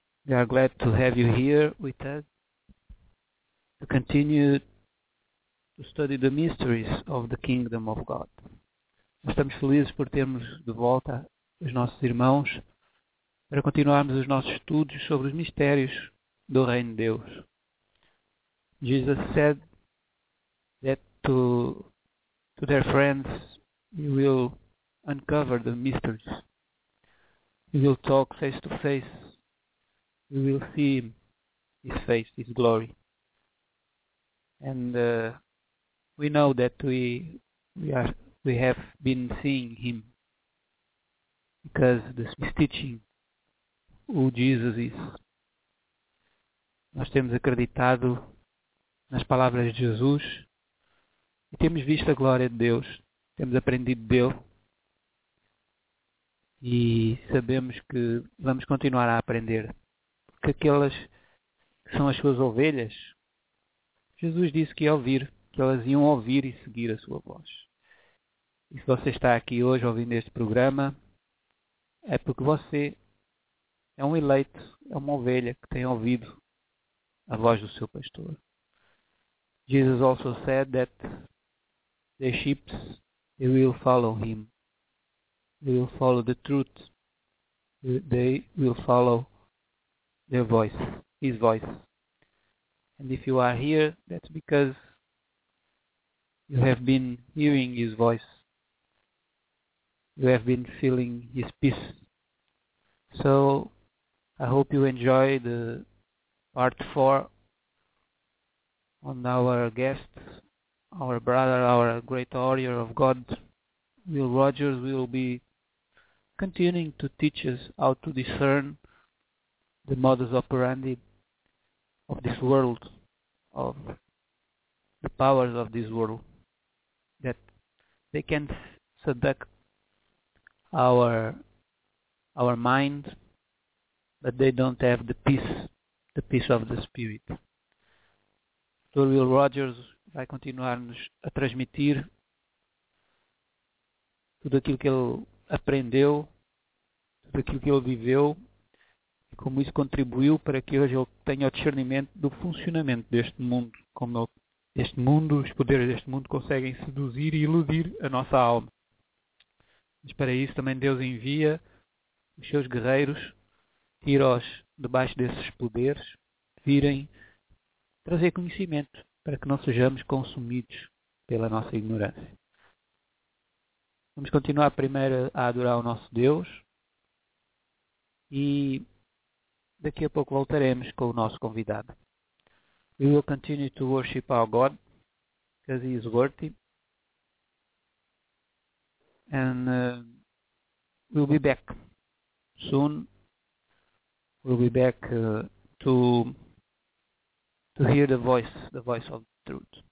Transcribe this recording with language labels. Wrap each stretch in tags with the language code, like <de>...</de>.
<en>We are glad to have you here with us to continue to study the mysteries of the Kingdom of God.</en> <pt>Estamos felizes por termos de volta os nossos irmãos para continuarmos os nossos estudos sobre os mistérios do Reino de Deus.</pt> <en>Jesus said that to their friends, you will uncover the mysteries. We will talk face to face. We will see His face, His glory. And we know that we have been seeing Him because this is teaching who Jesus is.</en> <pt>Nós temos acreditado nas palavras de Jesus e temos visto a glória de Deus. Temos aprendido dele. E sabemos que vamos continuar a aprender. Porque aquelas que são as suas ovelhas, Jesus disse que ia ouvir, que elas iam ouvir e seguir a sua voz. E se você está aqui hoje ouvindo este programa, é porque você é um eleito, é uma ovelha que tem ouvido a voz do seu pastor.</pt> <en>Jesus also said that the sheep, they will follow him. They will follow the truth. They will follow their voice, his voice. And if you are here, that's because you have been hearing his voice. You have been feeling his peace. So, I hope you enjoy the part 4 on our guest, our brother, our great warrior of God, Will Rogers, will be continuing to teach us how to discern the modus operandi of this world, of the powers of this world, that they can seduct our mind, but they don't have the peace of the spirit. Dr.</en> <pt>Will Rogers vai continuar-nos a transmitir tudo aquilo que ele aprendeu, daquilo que ele viveu e como isso contribuiu para que hoje ele tenha o discernimento do funcionamento deste mundo, como este mundo, os poderes deste mundo conseguem seduzir e iludir a nossa alma. Mas para isso também Deus envia os seus guerreiros, tira-os debaixo desses poderes, virem trazer conhecimento para que não sejamos consumidos pela nossa ignorância. Vamos continuar primeiro a adorar o nosso Deus. E daqui a pouco voltaremos com o nosso convidado.</pt> <en>We will continue to worship our God, because He is worthy. And we'll be back soon. We'll be back to hear the voice of the truth.</en>